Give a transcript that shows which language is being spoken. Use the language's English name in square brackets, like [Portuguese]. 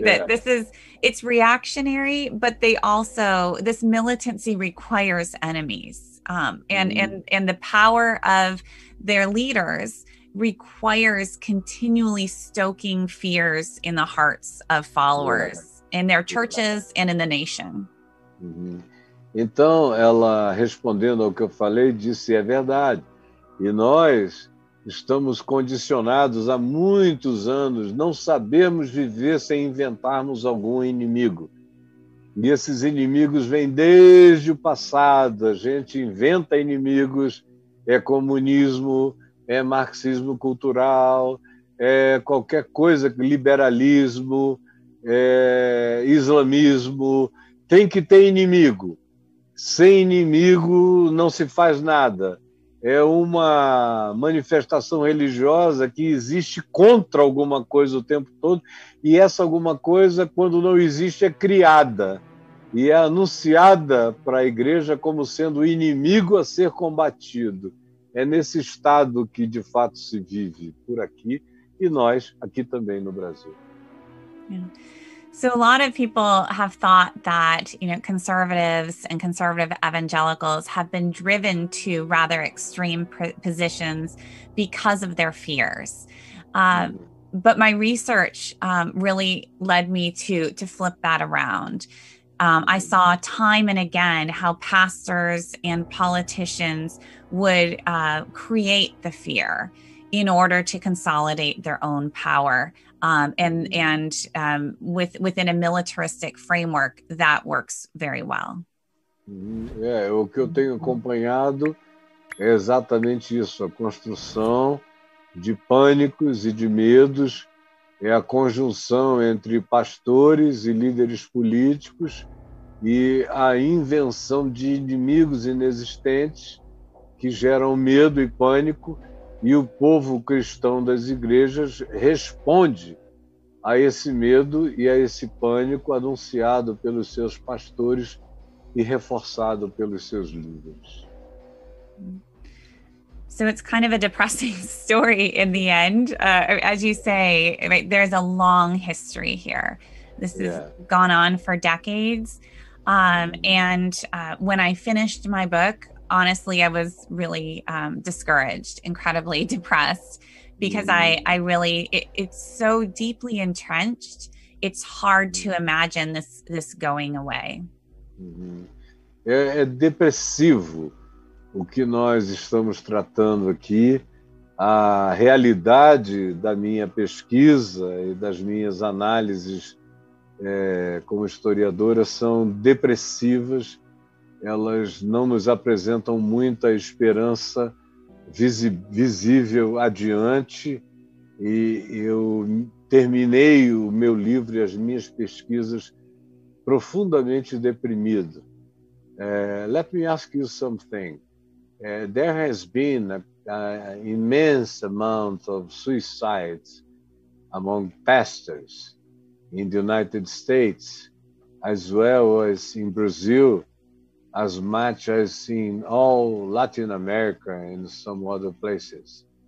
[English] Yeah. That this is, it's reactionary, but they also, this militancy requires enemies. And the power of their leaders requires continually stoking fears in the hearts of followers in their churches and in the nation. Mm-hmm. [Portuguese] Então, ela respondendo ao que eu falei, disse, é verdade. E nós estamos condicionados há muitos anos, não sabemos viver sem inventarmos algum inimigo. E esses inimigos vêm desde o passado, a gente inventa inimigos, é comunismo, é marxismo cultural, é qualquer coisa, liberalismo, é islamismo, tem que ter inimigo. Sem inimigo não se faz nada. É uma manifestação religiosa que existe contra alguma coisa o tempo todo, e essa alguma coisa, quando não existe, é criada e é anunciada para a igreja como sendo o inimigo a ser combatido. É nesse estado que, de fato, se vive por aqui, e nós, aqui também no Brasil. [English] Yeah. So a lot of people have thought that, you know, conservatives and conservative evangelicals have been driven to rather extreme positions because of their fears. But my research really led me to flip that around. I saw time and again how pastors and politicians would create the fear in order to consolidate their own power, within a militaristic framework that works very well. [Portuguese] O que eu tenho acompanhado é exatamente isso, a construção de pânicos e de medos, é a conjunção entre pastores e líderes políticos e a invenção de inimigos inexistentes que geram medo e pânico, e o povo cristão das igrejas responde a esse medo e a esse pânico anunciado pelos seus pastores e reforçado pelos seus líderes. [English] So it's kind of a depressing story in the end. As you say, right, there's a long history here. This has gone on for decades. When I finished my book, honestly, I was really discouraged, incredibly depressed, because it's so deeply entrenched, it's hard to imagine this going away. [Portuguese] É depressivo o que nós estamos tratando aqui. A realidade da minha pesquisa e das minhas análises como historiadora são depressivas. Elas não nos apresentam muita esperança visível adiante. E eu terminei o meu livro e as minhas pesquisas profundamente deprimido. [English] Let me ask you something. There has been an immense amount of suicides among pastors in the United States, as well as in Brazil, as much as in all Latin America and some other places.